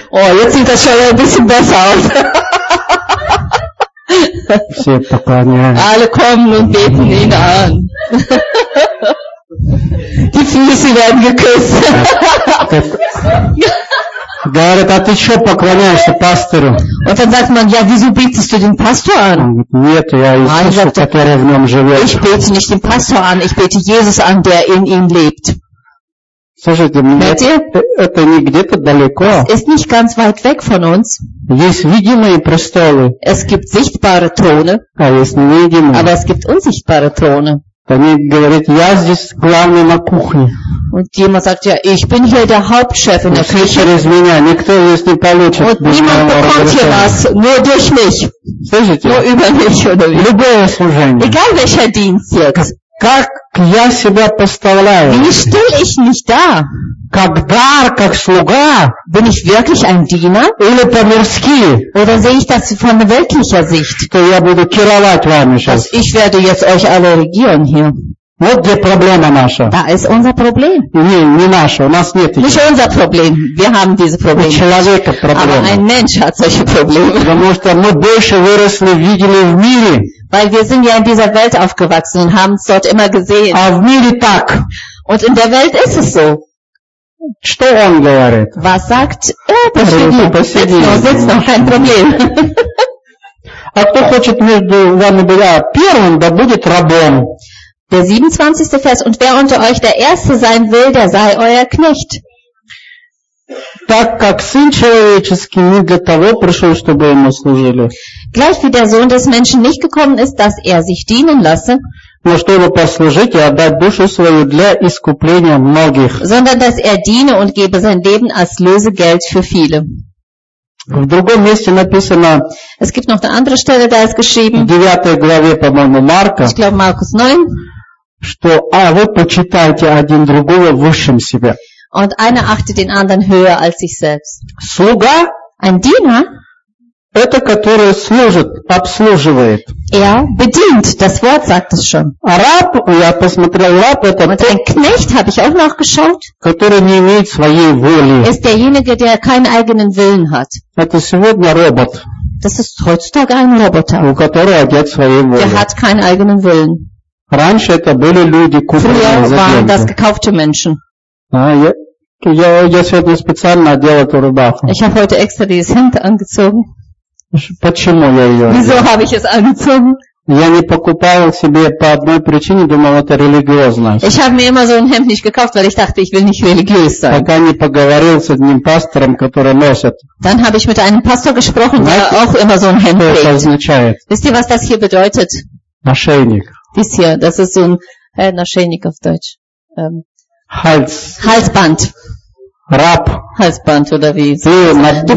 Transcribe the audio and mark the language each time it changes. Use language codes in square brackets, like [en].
[de] Oh, jetzt sieht das schon ein bisschen besser aus. Alle kommen und beten ihn an. Die Füße werden geküsst. [ru] Говорят, а ты что поклоняешься пастору? [de] Und dann sagt man, ja, wieso betest du den Pastor an? [ru] Нет, я Иисуса, который в нем живет. [de] Ich bete nicht den Pastor an, ich bete Jesus an, der in ihm lebt. [ru] Слушайте, это не где-то далеко. [de] Es ist nicht ganz weit weg von uns. [ru] Есть видимые престолы. [de] Es gibt sichtbare Throne. [ru] А есть невидимые. [de] Aber es gibt unsichtbare Throne. [ru] Они говорят, я здесь главный на кухне. [de] Und jemand sagt, ja, ich bin hier der Hauptchef in der Küche. Und niemand bekommt hier was, nur durch mich. [ru] Слышите? [de] Nur über mich, oder wie? [ru] Любое служение. [de] Egal welcher Dienst jetzt. [ru] Как к я себя поставляю? [de] Wie stelle ich mich da? [ru] Как дар, как слуга? [de] Bin ich wirklich ein Diener? [ru] Или по-мирски? [de] Oder sehe ich das von weltlicher Sicht? [ru] То я буду керовать вами сейчас. [de] Ich werde jetzt euch alle regieren hier. [ru] Вот где проблема наша. [de] Da ist unser Problem. [ru] Не наша, у нас нет этих. [de] Nicht unser Problem, wir haben diese Probleme. [ru] У человека проблема. [de] Aber ein Mensch hat solche Probleme. [ru] Потому что мы больше выросли, видели в мире. [de] Weil wir sind ja in dieser Welt aufgewachsen und haben es dort immer gesehen. [ru] А в мире так. [de] Und in der Welt ist es so. [ru] Что он говорит? [de] Was sagt er? [ru] Посиди. [de] Setz noch, kein Problem. [ru] А кто хочет между вами быть первым, да будет рабом. [de] Der 27. Vers, und wer unter euch der Erste sein will, der sei euer Knecht. [ru] Так как Сын человеческий не для того пришел, чтобы ему служили. [de] Gleich wie der Sohn des Menschen nicht gekommen ist, dass er sich dienen lasse, [ru] но чтобы послужить и отдать душу свою для искупления многих. [de] Sondern dass er diene und gebe sein Leben als Lösegeld für viele. [ru] В другом месте написано. [de] Es gibt noch eine andere Stelle, da ist geschrieben. [ru] В 9 главе, по-моему, Марка. [de] Ich glaube, Markus 9. [ru] Что, вы почитайте один другого высшим себя. [de] Und einer achtet den anderen höher als sich selbst. [ru] Слуга? [de] Ein Diener? [ru] Это, который служит, обслуживает. [de] Er bedient, das Wort sagt es schon. [ru] Раб, я посмотрел, раб это [de] und ein Knecht, habe ich auch noch geschaut, [ru] который не имеет своей воли. [de] Ist derjenige, der keinen eigenen Willen hat. [ru] Это сегодня робот. [de] Das ist heutzutage ein Roboter. [ru] У которого нет своей воли. [de] Der hat keinen eigenen Willen. [ru] Раньше это были люди, купленные за деньги. [de] Früher waren das gekaufte Menschen. [ru] Я сегодня специально одел эту рубаху. [de] Ich habe heute extra dieses Hemd angezogen. [ru] Почему я ее? [de] Wieso habe ich es angezogen? [ru] Я не покупал себе по одной причине, думал, это религиозность. [de] Ich habe mir immer so ein Hemd nicht gekauft, weil ich dachte, ich will nicht religiös sein. [ru] Пока не поговорил с одним пастором, который носит. [de] Dann habe ich mit einem Pastor gesprochen, der auch immer so ein Hemd trägt. [ru] Что это означает? [de] Wisst ihr, was das hier bedeutet? [ru] Ошейник. [de] Dies hier, das ist so ein Ошейник auf Deutsch. Hals. Halsband. [ru] Раб. [de] Halsband oder wie? Du